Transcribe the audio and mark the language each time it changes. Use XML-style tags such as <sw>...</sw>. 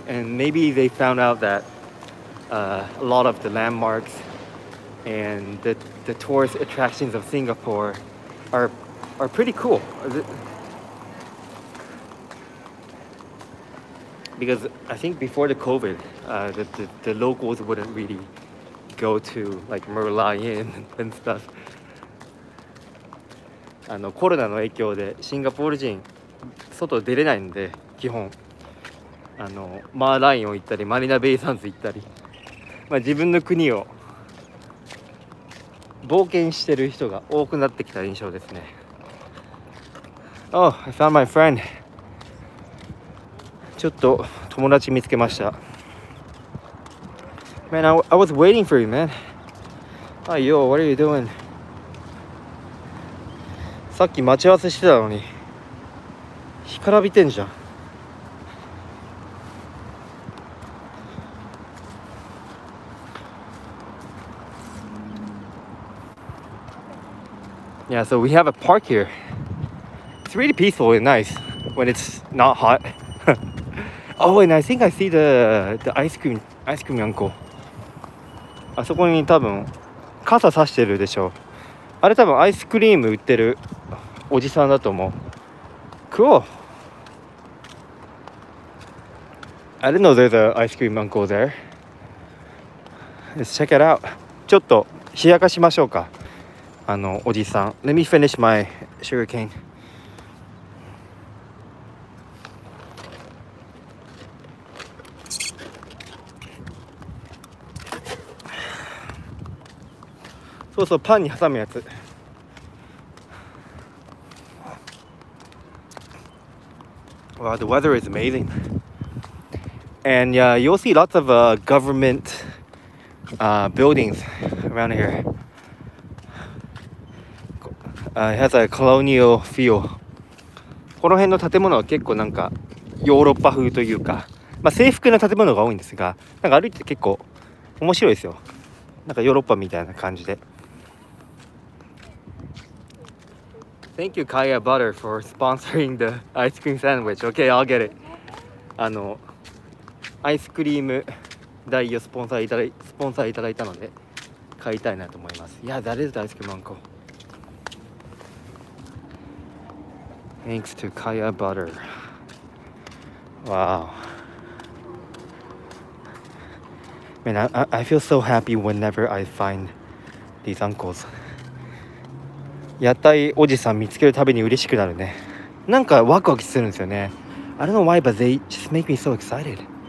<en>And maybe they found out that a lot of the landmarks and the tourist attractions of Singapore are pretty cool. Because I think before the COVID, the locals wouldn't really go to like Merlion and stuff.</en> <ja>あのコロナの影響でシンガポール人外出れないんで基本あのマーライオン行ったりマリナベイサンズ行ったり、まあ自分の国を冒険してる人が多くなってきた印象ですね。</ja> <en>Oh, I found my friend.</en> <ja>ちょっと友達見つけました。</ja> <en>Man, I was waiting for you, man. Hi, yo, what are you doing?</en> <ja>さっき待ち合わせしてたのに干からびてんじゃん。</ja> <en>Yeah, so we have a park here. It's really peaceful and nice when it's not hot. Oh, and I think I see the ice cream uncle.</en> <ja>あそこに多分傘差してるでしょ。あれ多分アイスクリーム売ってるおじさんだと思う。</ja> <en>Cool. I didn't know there's an ice cream uncle there. Let's check it out.</en> <ja>ちょっと冷やかしましょうか。あのおじさん。</ja> <en>Let me finish my sugar cane.</en> <ja>そうそう、パンに挟むやつ。</ja> <en>Wow, the weather is amazing. And yeah, you'll see lots of government buildings around here. It has a colonial feel.</en> <ja>この辺の建物は結構なんかヨーロッパ風というか、まあ制服の建物が多いんですが、なんか歩いて結構面白いですよ。なんかヨーロッパみたいな感じで。</ja> <en>Thank you, Kaya Butter, for sponsoring the ice cream sandwich. Okay, I'll get it.</en> <ja>あのアイスクリーム代をスポンサーいただいたので買いたいなと思います。</ja> <en>Yeah, that is the ice cream uncle. Thanks to Kaya Butter. Wow. Man, I feel so happy whenever I find these uncles.</en> <ja>屋台おじさん見つけるたびに嬉しくなるね。なんかワクワクするんですよね。</ja> <en>I don't know why, but they just make me so excited.</en>